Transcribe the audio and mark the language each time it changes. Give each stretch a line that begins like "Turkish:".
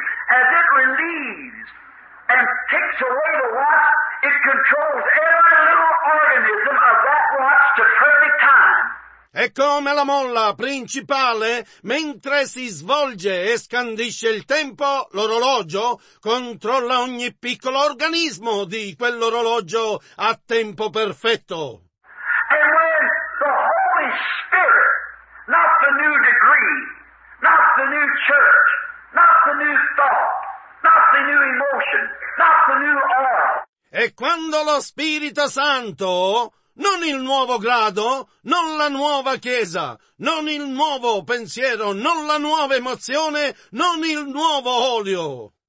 English: As it relieves and takes away the watch, it controls every little organism of that watch to perfect time.
Italian: È come la molla principale, mentre si svolge e scandisce il tempo, l'orologio controlla ogni piccolo organismo di quell'orologio a tempo perfetto.
English: And when the Holy Spirit, not the new degree, not the new church, not the new thought, not the new emotion, not the new aura.
Italian: E quando lo Spirito Santo, non il nuovo grado, non la nuova chiesa, non il nuovo pensiero, non la nuova emozione, non il nuovo olio.